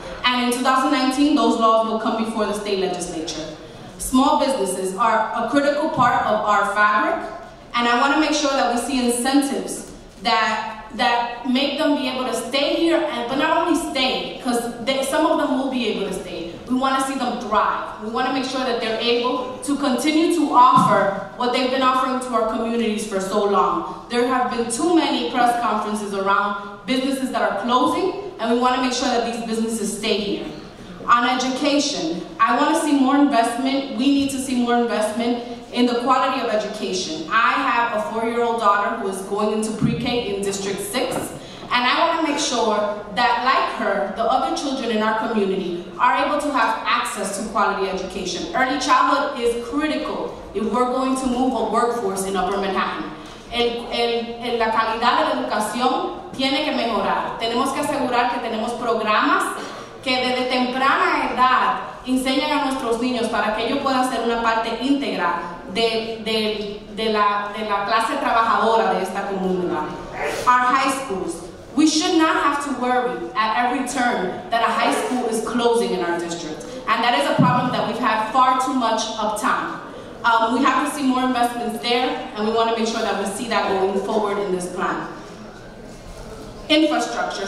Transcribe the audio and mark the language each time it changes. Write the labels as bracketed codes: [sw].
[en] And in 2019, those laws will come before the state legislature. Small businesses are a critical part of our fabric, and I want to make sure that we see incentives that make them be able to stay here, but not only stay, because some of them will be able to stay. We want to see them thrive. We want to make sure that they're able to continue to offer what they've been offering to our communities for so long. There have been too many press conferences around businesses that are closing, and we want to make sure that these businesses stay here. On education, I want to see more investment. We need to see more investment in the quality of education. I have a four-year-old daughter who is going into pre-K in District 6, and I want to make sure that, like her, the other children in our community are able to have access to quality education. Early childhood is critical if we're going to move a workforce in Upper Manhattan. [es] La calidad de la educación tiene que mejorar. Tenemos que asegurar que tenemos programas que desde temprana edad enseñan a nuestros niños para que ellos puedan ser una parte íntegra de la clase trabajadora de esta comunidad. [en] Our high schools. We should not have to worry at every turn that a high school is closing in our district. And that is a problem that we've had far too much of time. We have to see more investments there, and we want to make sure that we see that going forward in this plan. Infrastructure.